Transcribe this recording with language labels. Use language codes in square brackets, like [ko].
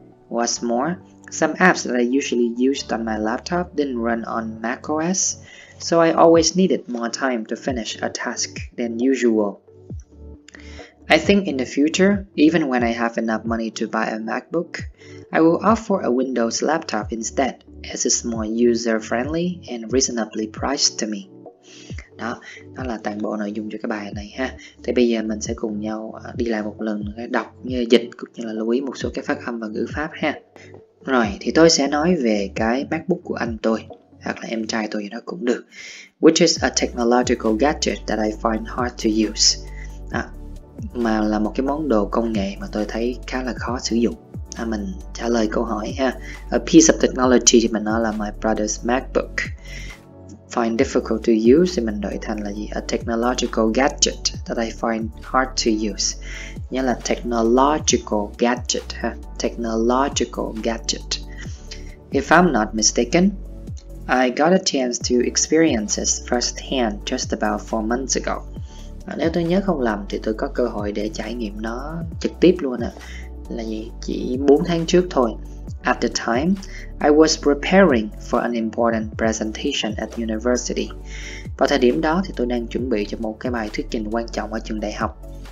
[en] What's more, some apps that I usually used on my laptop didn't run on macOS, so I always needed more time to finish a task than usual. I think in the future, even when I have enough money to buy a MacBook, I will opt for a Windows laptop instead, as it's more user-friendly and reasonably priced to me. [vi] Đó, đó là toàn bộ nội dung cho cái bài này ha. Thì bây giờ mình sẽ cùng nhau đi lại một lần cái đọc như dịch cũng như là lưu ý một số cái phát âm và ngữ pháp ha. Rồi, thì tôi sẽ nói về cái MacBook của anh tôi hoặc là em trai tôi đó cũng được. [en] Which is a technological gadget that I find hard to use. [vi] Đó. Mà là một cái món đồ công nghệ mà tôi thấy khá là khó sử dụng. À, mình trả lời câu hỏi ha. [en] A piece of technology [vi] thì mình nói là [en] my brother's MacBook. Find difficult to use [vi] thì mình đổi thành là gì? [en] A technological gadget that I find hard to use. [vi] Nghĩa là [en] technological gadget [vi] ha. [en] Technological gadget. If I'm not mistaken, I got a chance to experience this firsthand just about 4 months ago. [vi] Nếu tôi nhớ không lầm thì tôi có cơ hội để trải nghiệm nó trực tiếp luôn ạ. Là gì? Chỉ 4 tháng trước thôi. [en] At the time, I was preparing for an important presentation at university. [vi] Vào thời điểm đó thì tôi đang chuẩn bị cho một cái bài thuyết trình quan trọng ở trường đại học.